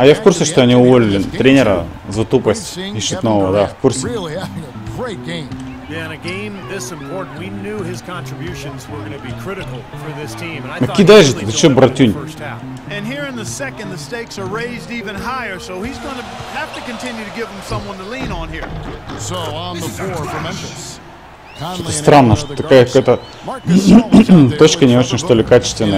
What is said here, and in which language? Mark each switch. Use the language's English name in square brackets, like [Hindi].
[Russian] А я в курсе, что они уволили тренера за тупость. Ищет нового, да, в курсе. [English] Really having a great game. Yeah, in a game this important, we knew his contributions were going to be critical for this team. And I thought [Russian] Кидай же, ты что, братюнь? [English] And here in the second, the stakes are raised even higher, so he's going to have to continue to give him someone to lean on here. So on the floor for Memphis. [Russian] Что-то странно, что такая какая-то точка не очень, что ли, качественная.